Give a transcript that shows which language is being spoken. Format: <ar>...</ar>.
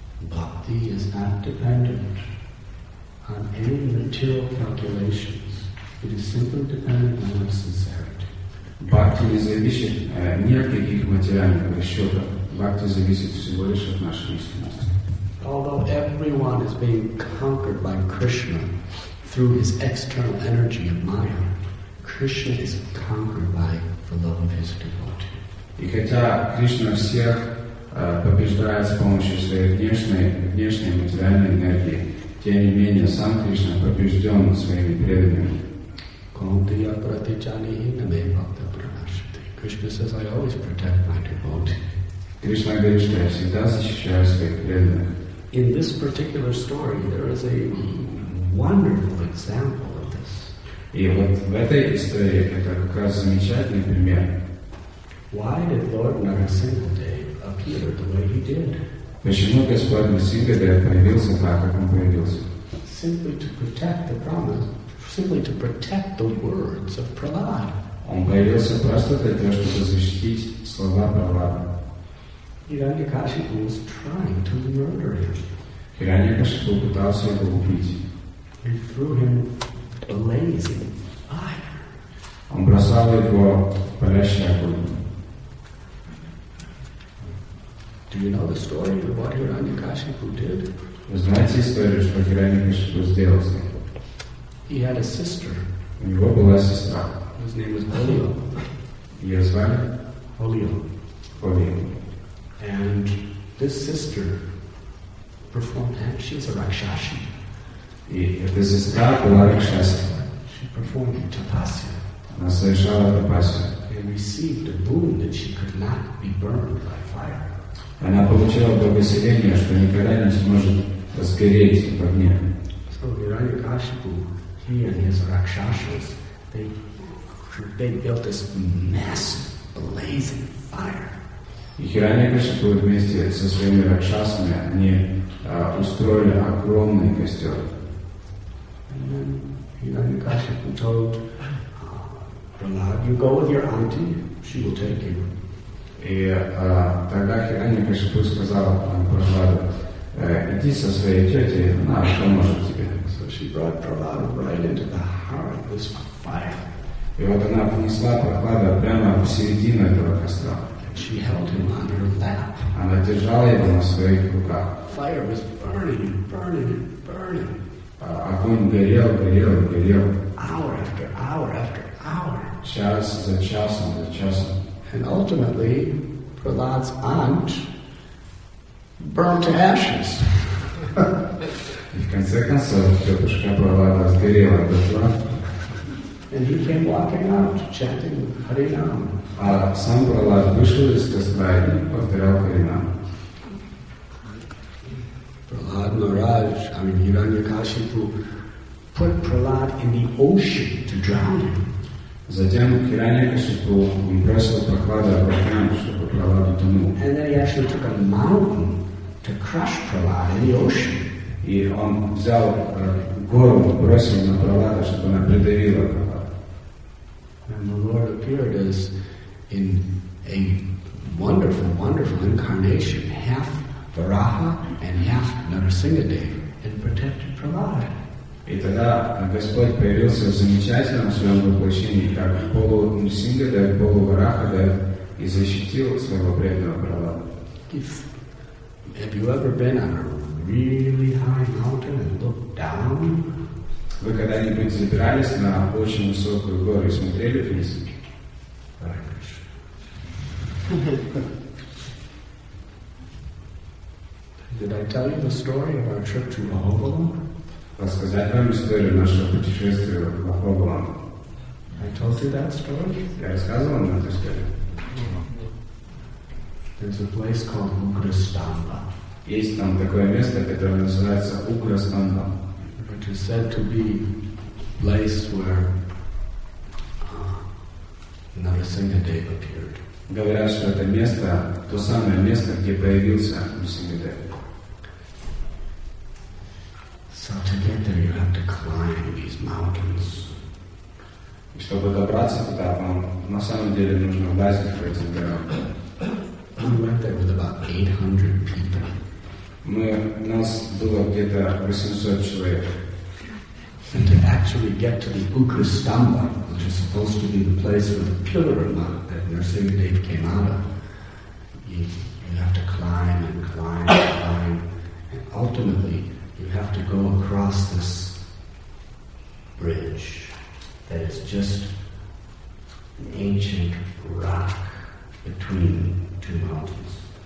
<en>Bhakti is not dependent on any material calculations. It is simply dependent on our sincerity.</en> <ru>Бхакти не зависит ни от каких материальных расчетов. Бхакти зависит всего лишь от нашей искренности.</ru> <en>Although everyone is being conquered by Krishna through his external energy of Maya, Krishna is conquered by the love of his devotee.</en> <ru>И хотя Кришна всех побеждает с помощью своей внешней материальной энергии. Тем не менее, сам Кришна побежден своими преданными.</ru> <sa>Kauntiya pratijani name bhakta pranashati.</sa> <en>Krishna says, I always protect my devotee.</en> <ru>Krishna говорит, что я всегда защищаю своих преданных.</ru> <en>In this particular story, there is a wonderful example of this.</en> <ru>И вот в этой истории это как раз замечательный пример.</ru> <en>Why did Lord Narasimhadev appear the way he did?</en> <ru>Почему Господь Нарасимхадев появился так, как он появился?</ru> <en>Simply to protect the promise. Simply to protect the words of Prahlada.</en> <ru>Он появился просто для того, чтобы защитить слова Прахлады.</ru> <en>Хираньякашипу was trying to murder him.</en> <ru>Хираньякашипу пытался его убить.</ru> <en>He threw him blazing fire.</en> <ru>Он бросал его в палящий огонь.</ru> <en>Do you know the story of what Хираньякашипу did?</en> <ru>Вы знаете историю, что Хираньякашипу сделал с ним?</ru> <en>He had a sister.</en> <ru>У него была сестра.</ru> <en>His name was Holio.</en> <ru>Ее звали?</ru> <en>Holio.</en> <ru>Holio.</ru> <en>And this sister performed, and she was a Rakshasi.</en> <ru>И эта сестра была Ракшаси.</ru> <en>She performed tapasya.</en> <ru>Она совершала тапасию.</ru> <en>And received a boon that she could not be burned by fire.</en> <ru>Она получила благословение, что никогда не сможет сгореть в огне.</ru> <en>So Хираньякашипу, he and his Rakshasas, they built this massive blazing fire.</en> <ru>И Хираньякашипу вместе со своими ракшасами они устроили огромный костер.</ru> <en>And then Хираньякашипу told Prahlada, you go with your auntie, she will take you.</en> <ru>И тогда Хираньякашипу сказал Прахладу, иди со своей тетей, она поможет тебе.</ru> <en>So she brought Prahlada right into the heart of this fire.</en> <ru>И вот она понесла Прахлада прямо в середину этого костра.</ru> <en>She held him on her lap.</en> <ru>Она держала его на своих руках.</ru> <en>Fire was burning and burning and burning.</en> <ru>Огонь горел, горел, горел.</ru> <en>Hour after hour after hour.</en> <ru>Час за часом, за часом.</ru> <en>And ultimately, Prahlad's aunt burned to ashes.</en> <ru>И в конце концов, тетушка Прахлада сгорела до тла.</ru> <en>And he came walking out, chanting Hari Nam.</en> <ru>А сам Прахлад вышел из костра и повторял Харинам.</ru> <en>Прахлад Махарадж, Хираньякашипу, put Prahlad in the ocean to drown him.</en> <ru>Затем Хираньякашипу бросил Прахлада в океан, чтобы Прахлад утонул.</ru> <en>And then he actually took a mountain to crush Prahlad in the ocean.</en> <ru>И он взял гору, бросил на Прахлада, чтобы она придавила Прахлада.</ru> <en>And the Lord appeared as in a wonderful, wonderful incarnation, half Varaha and half Narasimhadev, and protected Prahlada.</en> <ru>И тогда Господь появился в замечательном своем воплощении, как полу-Нарасимхадев, полу-Варахадев, и защитил своего преданного Прахлада.</ru> <en>Have you ever been on a really high mountain and looked down?</en> <ru>Вы когда-нибудь забирались на очень высокую гору и смотрели вниз?</ru> <en>Did I tell you the story of our trip to Mahobalam?</en> <ru>Рассказать вам историю нашего путешествия в Mahobalam.</ru> <en>I told you that story?</en> <ru>Я рассказывал вам эту историю.</ru> <en>There's a place called Ugrastamba.</en> <ru>Есть там такое место, которое называется Ugrastamba.</ru> <en>Which is said to be a place where Narasimhadev appeared.</en> <ru>Говорят, что это место, то самое место, где появился Нарасимхадев.</ru> <en>So to get there, you have to climb these mountains.</en> <ru>И чтобы добраться туда, вам на самом деле нужно лазить по этим горам.</ru> <en>We went there with about 800 people.</en> <ru>У нас было где-то 800 человек.</ru> <en>And to actually get to the Ugrastamba, which is supposed to be the place where the pillar of mud that Narasimhadev came out of, you have to climb and climb and climb, and ultimately you have to go across this bridge that is just an ancient rock between two mountains.</en>